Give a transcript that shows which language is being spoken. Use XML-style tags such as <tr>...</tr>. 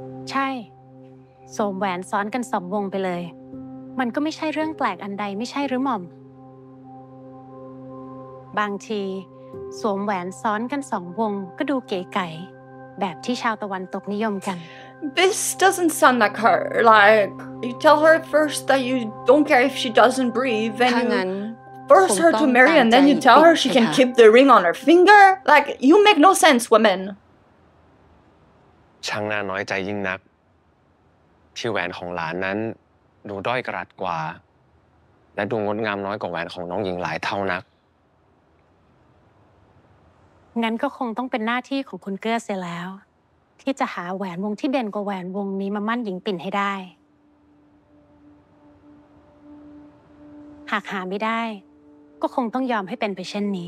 <th>ใช่สวมแหวนซ้อนกันสองวงไปเลยมันก็ไม่ใช่เรื่องแปลกอันใดไม่ใช่หรือหม่อมบางทีสวมแหวนซ้อนกันสองวงก็ดูเก๋ไก๋แบบที่ชาวตะวันตกนิยมกัน</th> <en>This doesn't sound like her. Like you tell her first that you don't care if she doesn't breathe, and you force her to marry, and then you tell her she can keep the ring on her finger. Like you make no sense, woman.</en> <th>ช่างน่าน้อยใจยิ่งนักที่แหวนของหลานนั้นดูด้อยกระดัดกว่าและดูงดงามน้อยกว่าแหวนของน้องหญิงหลายเท่านัก งั้นก็คงต้องเป็นหน้าที่ของคุณเกื้อเสียแล้วที่จะหาแหวนวงที่เด่นกว่าแหวนวงนี้มามั่นหญิงปิ่นให้ได้หากหาไม่ได้ก็คงต้องยอมให้เป็นไปเช่นนี</th>